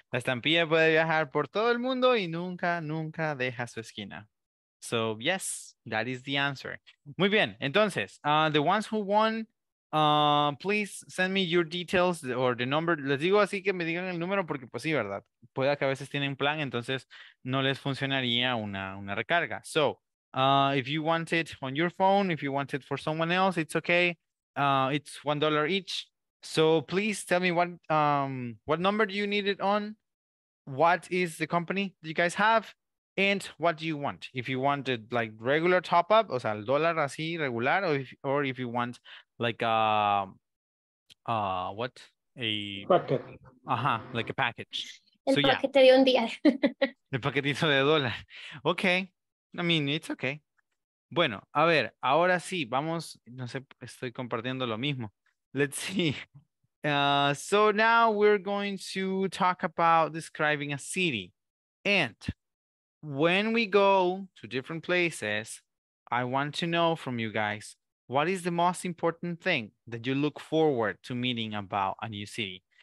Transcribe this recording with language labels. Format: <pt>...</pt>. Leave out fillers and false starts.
<es>La estampilla puede viajar por todo el mundo y nunca, nunca deja su esquina.</es> <en>So, yes, that is the answer. Muy bien, entonces, the ones who won Please send me your details or the number.</en> <es>Les digo así que me digan el número porque pues sí, ¿verdad? Puede que a veces tienen plan, entonces no les funcionaría una recarga.</es> <en>So, if you want it on your phone, if you want it for someone else, it's okay. It's $1 each. So please tell me what number do you need it on? What is the company that you guys have? And what do you want? If you want it like regular top up, o sea, el dólar así regular, or if you want like a package. Uh-huh, like a package.</en> <es>El paquete de un día. El paquetito de dólar. Okay. I mean, it's okay. Bueno, a ver, ahora sí, vamos, no sé, estoy compartiendo lo mismo.</es> <en>Let's see. So now we're going to talk about describing a city. And when we go to different places, I want to know from you guys, what is the most important thing that you look forward to meeting about a new city?</en>